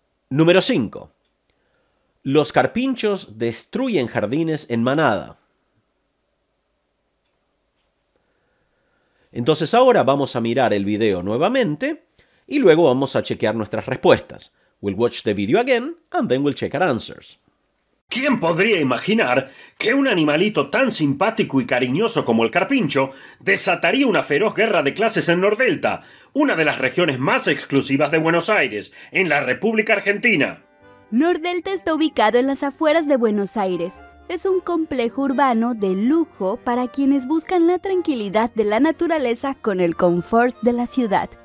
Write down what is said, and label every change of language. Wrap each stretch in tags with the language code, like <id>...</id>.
<es>Número 5. Los carpinchos destruyen jardines en manada. Entonces ahora vamos a mirar el video nuevamente y luego vamos a chequear nuestras respuestas.</es> <en>We'll watch the video again, and then we'll check our answers.</en> <es>¿Quién podría imaginar que un animalito tan simpático y cariñoso como el carpincho desataría una feroz guerra de clases en Nordelta, una de las regiones más exclusivas de Buenos Aires, en la República Argentina? Nordelta está ubicado en las afueras de Buenos Aires. Es un complejo urbano de lujo para quienes buscan la tranquilidad de la naturaleza con el confort de la ciudad.</es>